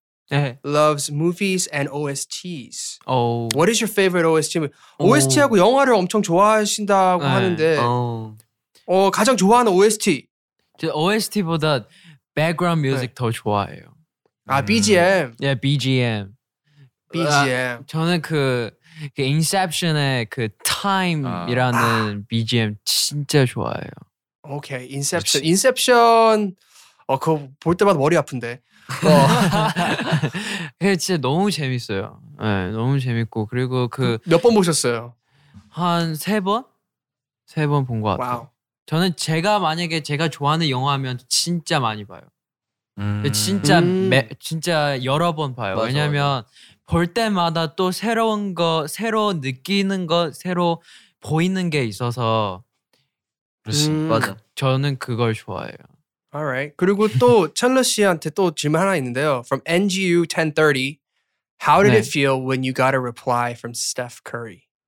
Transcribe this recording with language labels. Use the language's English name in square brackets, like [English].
[English] Chunla loves movies and OSTs. Oh. What is your favorite OST? [Korean] OST하고 영화를 엄청 좋아하신다고 하는데 가장 좋아하는 OST. OST보다 [English] background music [Korean] 더 좋아해요. [English] BGM. Yeah, BGM. BGM. [Korean] 저는 그 Inception의 그 Time이라는 BGM 진짜 좋아해요. [English] 오케이, okay, Inception. [Korean] 그치. Inception. 그거 볼 때마다 머리 아픈데. 그게 진짜 너무 재밌어요. 네, 너무 재밌고 그리고 그 몇 번 보셨어요? 한 세 번 본 것 같아요. 저는 제가 만약에 제가 좋아하는 영화면 진짜 많이 봐요. 진짜 진짜 여러 번 봐요. 맞아, 왜냐면 볼 때마다 또 새로운 거, 새로 느끼는 거, 새로 보이는 게 있어서 맞아. 저는 그걸 좋아해요. [English] Alright. [Korean] 그리고 또 찬러 씨한테 또 질문 하나 있는데요. [English] From NGU 1030, how did it feel when you got a reply from Steph Curry?